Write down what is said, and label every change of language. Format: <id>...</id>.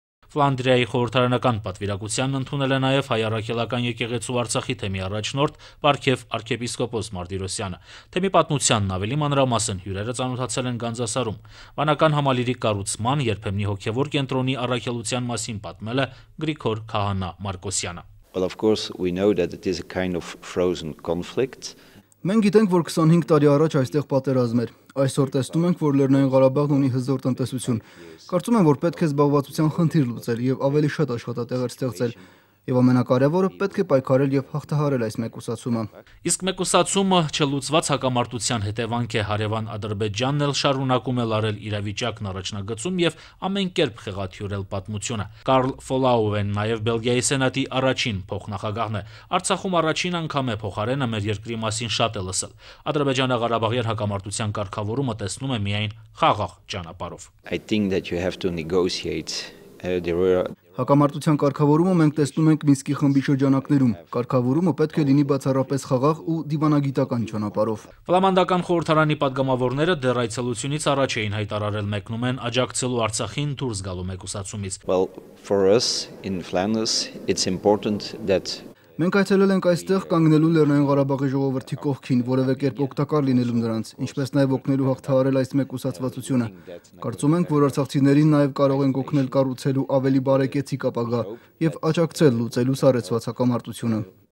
<hy>Ֆլանդրիայի խորհրդարանական պատվիրակությանն ընդունել է նաև հայ առաքելական եկեղեցու Արցախի թեմի առաջնորդ Պարքև Արքեպիսկոպոս Մարտիրոսյանը։ Թեմի պատմությանն ավելի մանրամասն հյուրերը ծանոթացել են Գանձասարում։ Վանական համալիրի կառուցման երբեմնի հոգևոր կենտրոնի առաքելության մասին պատմել է Գրիգոր Քահանա Մարկոսյանը։</hy> <en>Well, of course, we know that it is a kind of frozen conflict.</en> <hy>Մենք գիտենք, որ 25 տարի առաջ այստեղ պատերազմ էր։ Այսօր տեսնում ենք, որ Լեռնային Ղարաբաղն ունի հզոր տնտեսություն։ Կարծում եմ, որ պետք է զբաղվածության խնդիր լուծել եւ ավելի շատ աշխատատեղեր ստեղծել։ Եվ ամենակարևորը պետք է պայքարել եւ հաղթահարել այս մեկուսացումը։ Իսկ մեկուսացումը չլուծված հակամարտության հետևանք է, հարևան Ադրբեջանն էլ շարունակում է լարել իրավիճակն առաջնագծում եւ ամենքերբ խեղաթյուրել պատմությունը։ Կարլ Ֆոլաուեն նաեւ Բելգիայի Սենատի առաջին փոխնախագահն է։ Արցախում առաջին անգամ է փոխարենը մեր երկրի մասին շատ է լսել։ Ադրբեջանը Ղարաբաղի հակամարտության կարգավորումը տեսնում է միայն խաղաղ ճանապարով։</hy> <en>I think that you have to negotiate</en> <hy>Հակամարտության կարգավորումը մենք տեսնում ենք Մինսկի խմբի շրջանակներում։ Կարգավորումը պետք է լինի բացառապես խաղաղ ու դիվանագիտական ճանապարհով։ Ֆլամանդական խորհրդարանի падգամավորները դեռ այցելությունից առաջ էին հայտարարել մեկնում են աջակցելու Արցախին դուրս գալու մեկուսացումից։</hy> <en>Well, for us in Flanders, it's important that</en> <hy>Մենք այցելել ենք այստեղ կանգնելու Լեռնային Ղարաբաղի ժողովրդի կողքին, որևէ կերպ օգտակար լինելու նրանց, ինչպես նաև օգնելու հաղթահարել այս մեկուսացվածությունը։ Կարծում ենք, որ արցախցիներին նաև կարող են օգնել կառուցելու ավելի բարեկեցիկ ապագա եւ աջակցել լուծելու սարեցված հակամարտությունը։</hy>